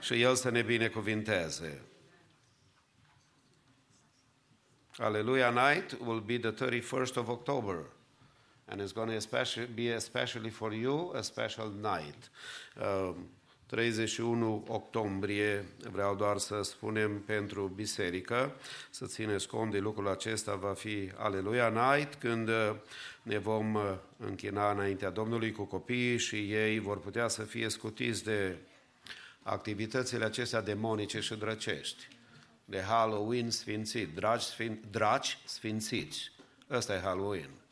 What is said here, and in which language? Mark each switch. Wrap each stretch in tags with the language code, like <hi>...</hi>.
<ro>Și El să ne binecuvinteze.</ro> <en>Hallelujah night will be the 31st of October and it's going to be especially for you a special night.</en> <ro>31 octombrie, vreau doar să spunem pentru biserică, să țineți cont de lucrul acesta, va fi Aleluia Night, când ne vom închina înaintea Domnului cu copiii și ei vor putea să fie scutiți de activitățile acestea demonice și drăcești, de Halloween sfințit, draci sfințiți. Ăsta e Halloween.</ro>